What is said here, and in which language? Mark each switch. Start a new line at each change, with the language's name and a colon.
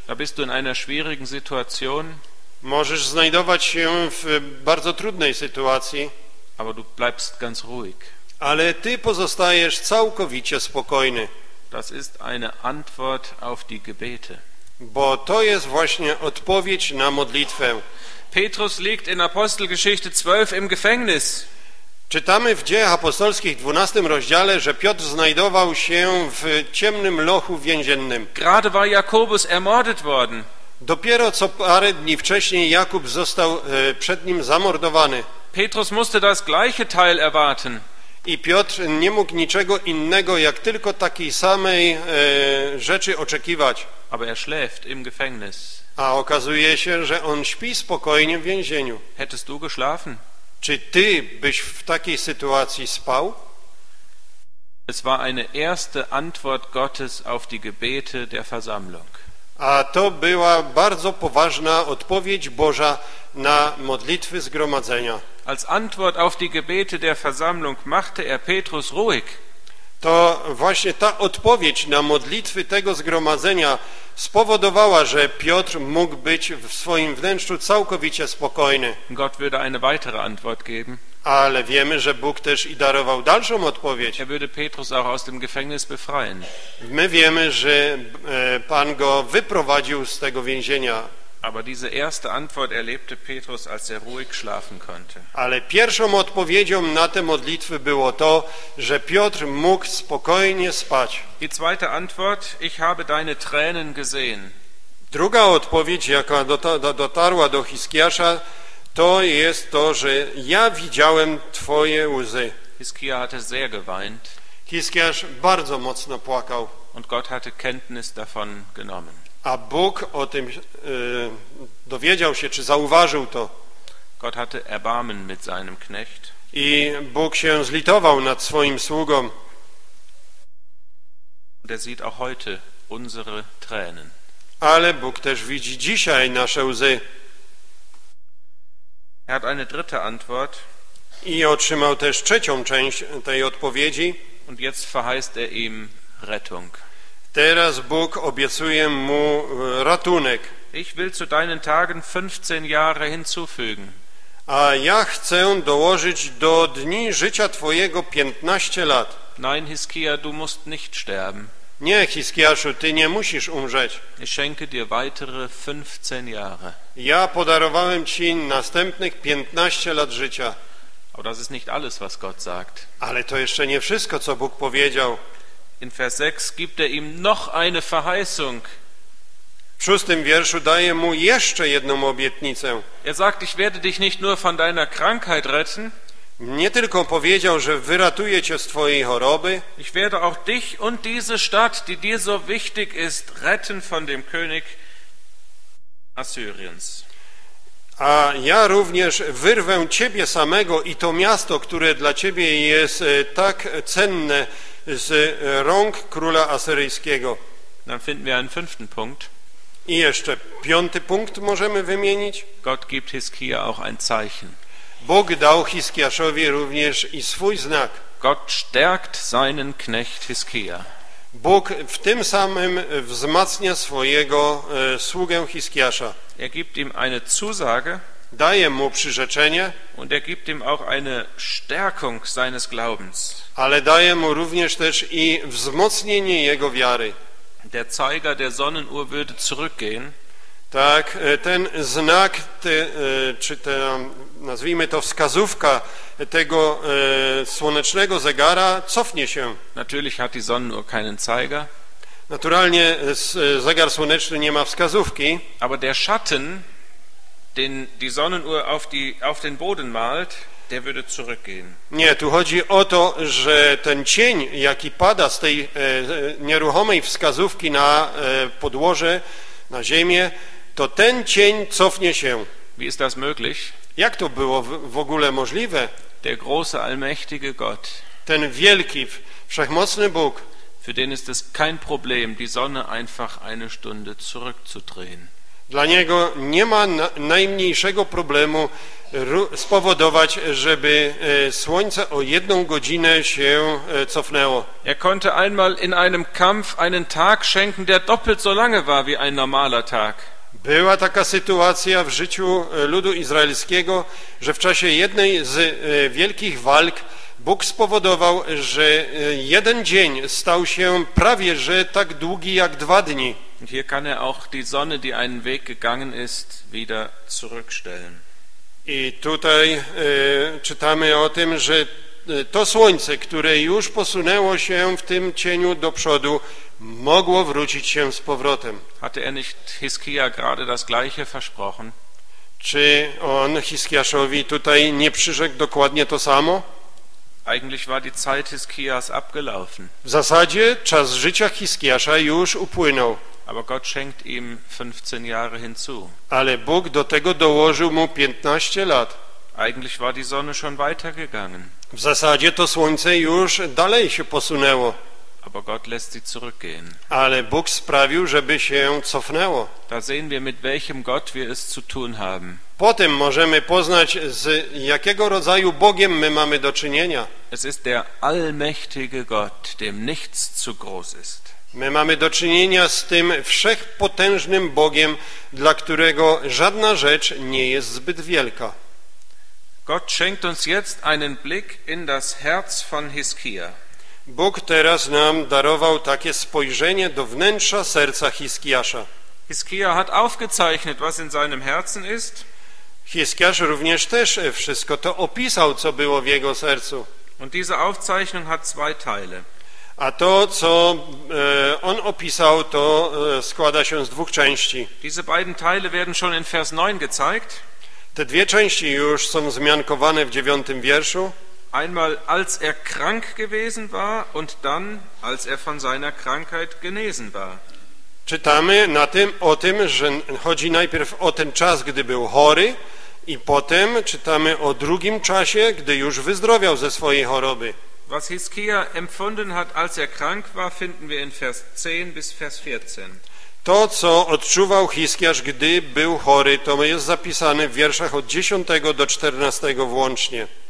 German: Da bist du in einer schwierigen Situation.
Polish: Możesz znajdować się w bardzo trudnej sytuacji.
German: Aber du bleibst ganz ruhig.
Polish: Ale ty pozostajesz całkowicie spokojny.
German: Das ist eine Antwort auf die Gebete.
Polish: Bo to jest właśnie odpowiedź na modlitwę.
German: Petrus liegt in Apostelgeschichte 12 im Gefängnis.
Polish: Czytamy w Dziejach Apostolskich 12 rozdziale, że Piotr znajdował się w ciemnym lochu więziennym.
German: Gerade war Jakobus ermordet worden.
Polish: Dopiero co parę dni wcześniej Jakub został przed nim zamordowany.
German: Petrus musste das gleiche Teil erwarten.
Polish: I Piotr nie mógł niczego innego, jak tylko takiej samej rzeczy oczekiwać.
German: Aber er schläft im Gefängnis.
Polish: A okazuje się, że on śpi spokojnie w więzieniu.
German: Hättest du geschlafen?
Polish: Czy ty byś w takiej sytuacji spał?
German: Es war eine erste Antwort Gottes auf die Gebete der Versammlung.
Polish: A to była bardzo poważna odpowiedź Boża na modlitwy zgromadzenia.
German: Als Antwort auf die Gebete der Versammlung machte er Petrus ruhig.
Polish: To właśnie ta odpowiedź na modlitwy tego zgromadzenia spowodowała, że Piotr mógł być w swoim wnętrzu całkowicie spokojny.
German: Gott würde eine weitere Antwort geben.
Polish: Ale wiemy, że Bóg też i darował dalszą odpowiedź.
German: Er würde Petrus auch aus dem Gefängnis befreien.
Polish: My wiemy, że Pan go wyprowadził z tego więzienia.
German: Aber diese erste Antwort erlebte Petrus, als er ruhig schlafen konnte.
Polish: Ale pierwszą odpowiedzią na te modlitwy było to, że Piotr mógł spokojnie spać.
German: Die zweite Antwort, ich habe deine Tränen gesehen.
Polish: Druga odpowiedź, jaka dotarła do Hiskiasza, to jest to, że ja widziałem twoje łzy.
German: Hiskia hatte sehr geweint.
Polish: Hiskiasz bardzo mocno płakał.
German: Und Gott hatte Kenntnis davon genommen.
Polish: A Bóg o tym dowiedział się, czy zauważył to.
German: Gott hatte erbarmen mit seinem Knecht.
Polish: I Bóg się zlitował nad swoim sługą.
German: Und er sieht auch heute unsere Tränen.
Polish: Ale Bóg też widzi dzisiaj nasze łzy.
German: Er hat eine dritte Antwort.
Polish: I otrzymał też trzecią część tej odpowiedzi.
German: Und jetzt verheißt er ihm Rettung.
Polish: Teraz Bóg obiecuje mu ratunek.
German: Ich will zu deinen Tagen 15 Jahre hinzufügen.
Polish: A ja chcę dołożyć do dni życia twojego 15 lat.
German: Nein, Hiskia, du musst nicht sterben.
Polish: Nie, Hiskiaszu, ty nie musisz umrzeć.
German: Ich schenke dir weitere 15 Jahre.
Polish: Ja podarowałem ci następnych 15 lat życia.
German: Aber das ist nicht alles, was Gott sagt.
Polish: Ale to jeszcze nie wszystko, co Bóg powiedział.
German: In Vers 6 gibt er ihm noch eine Verheißung.
Polish: W szóstym wierszu daje mu jeszcze jedną obietnicę.
German: Er sagt, ich werde dich nicht nur von deiner Krankheit retten.
Polish: Nie tylko powiedział, że wyratuje cię z twojej choroby.
German: Ich werde auch dich und diese Stadt, die dir so wichtig ist, retten von dem König Assyriens.
Polish: A ja również wyrwę ciebie samego i to miasto, które dla ciebie jest tak cenne, z rąk króla asyryjskiego.
German: Dann finden wir einen fünften Punkt.
Polish: I jeszcze piąty punkt możemy wymienić.
German: Gott gibt Hiskia auch ein Zeichen.
Polish: Bóg dał Hiskiaszowi również i swój znak.
German: Gott stärkt seinen Knecht Hiskia.
Polish: Bóg w tym samym wzmacnia swojego sługę Hiskiasza.
German: Er gibt ihm eine Zusage.
Polish: Daje mu przyrzeczenie.
German: Und er gibt ihm auch eine Stärkung seines Glaubens.
Polish: Ale daje mu również też i wzmocnienie jego wiary.
German: der Zeiger der Sonnenuhr würde zurückgehen.
Polish: Tak, ten znak, czy te, nazwijmy to wskazówka tego słonecznego zegara, cofnie się.
German: Natürlich hat die Sonnenuhr keinen Zeiger.
Polish: Naturalnie zegar słoneczny nie ma wskazówki.
German: Aber der Schatten, den die Sonnenuhr auf den Boden malt, der würde zurückgehen.
Polish: Nie, tu chodzi o to, że ten cień, jaki pada z tej nieruchomej wskazówki na podłoże, na ziemię, to ten cień cofnie się.
German: Wie ist das möglich?
Polish: Jak to było w ogóle możliwe?
German: Der große, allmächtige Gott.
Polish: Ten wielki, wszechmocny Bóg.
German: Für den ist es kein Problem, die Sonne einfach eine Stunde zurückzudrehen.
Polish: Dla niego nie ma najmniejszego problemu spowodować, żeby słońce o jedną godzinę się cofnęło.
German: Er konnte einmal in einem Kampf einen Tag schenken, der doppelt so lange war wie ein normaler Tag.
Polish: Była taka sytuacja w życiu ludu izraelskiego, że w czasie jednej z wielkich walk Bóg spowodował, że jeden dzień stał się prawie że tak długi jak dwa dni.
German: Hier kann er auch die Sonne, die einen Weg gegangen ist, wieder zurückstellen.
Polish: I tutaj czytamy o tym, że to słońce, które już posunęło się w tym cieniu do przodu, mogło wrócić się z powrotem.
German: Hatte er nicht Hiskia gerade das gleiche versprochen?
Polish: Czy on Hiskiaszowi tutaj nie przyrzekł dokładnie to samo?
German: Eigentlich war die Zeit Hiskias abgelaufen.
Polish: W zasadzie czas życia Hiskiasza już upłynął.
German: Aber Gott schenkt ihm 15 Jahre hinzu.
Polish: Ale Bóg do tego dołożył mu 15 lat.
German: Eigentlich war die Sonne schon weitergegangen.
Polish: W zasadzie to słońce już dalej się posunęło.
German: Aber Gott lässt sie zurückgehen.
Polish: Ale Bóg sprawił, żeby się cofnęło.
German: Da sehen wir, mit welchem Gott wir es zu tun haben.
Polish: Potem możemy poznać, z jakiego rodzaju Bogiem my mamy do czynienia.
German: Es ist der allmächtige Gott, dem nichts zu groß ist.
Polish: My mamy do czynienia z tym wszechpotężnym Bogiem, dla którego żadna rzecz nie jest zbyt wielka.
German: Gott schenkt uns jetzt einen Blick in das Herz von Hiskia.
Polish: Bóg teraz nam darował takie spojrzenie do wnętrza serca Hiskiasza.
German: Hiskia hat aufgezeichnet, was in seinem Herzen ist.
Polish: Hiskiasz również też wszystko to opisał, co było w jego sercu.
German: Und diese Aufzeichnung hat zwei Teile.
Polish: A to, co on opisał, to składa się z dwóch części.
German: Diese beiden Teile werden schon in Vers 9 gezeigt.
Polish: Te dwie części już są wzmiankowane w 9 wierszu.
German: Einmal als er krank gewesen war und dann als er von seiner Krankheit genesen war.
Polish: Czytamy na tym, o tym, że chodzi najpierw o ten czas, gdy był chory, i potem czytamy o drugim czasie, gdy już wyzdrowiał ze swojej choroby.
German: Was Hiskia empfunden hat, als er krank war, finden wir in Vers 10 bis Vers 14.
Polish: To, co odczuwał Hiskiasz, gdy był chory, to jest zapisane w wierszach od 10 do 14 włącznie.